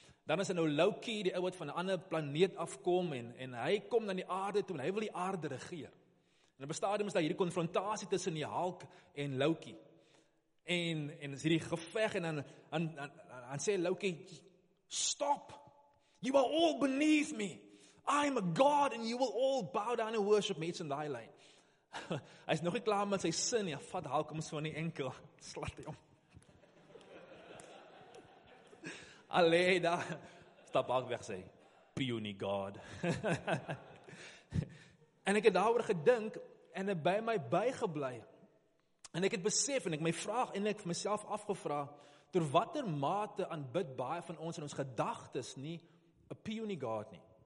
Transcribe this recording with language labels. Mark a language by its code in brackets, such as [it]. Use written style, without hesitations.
[af] Dan is hy nou Loki, die ou wat van 'n ander planeet afkom, en hy kom na die aarde toe, en hy wil die aarde regeer. En op 'n stadium is daar hierdie konfrontasie tussen die Hulk en Loki. En is hierdie geveg, en dan sê Loki, stop, [en] you are all beneath me, I am a god, and you will all bow down and worship me, it's in thy line. [af] Hy is nog nie klaar met sy sin nie, vat Hulk om so in die enkel, slat hy om. Allee, daar, stap Hulk weg, sê, [en] puny god. [af] En ek het daarover gedink, en het by my bygeblei, en ek het besef, en ek my vraag, en ek myself afgevra, ter watter mate aanbid baie van ons in ons gedagtes nie, [en] a puny god [af] nie.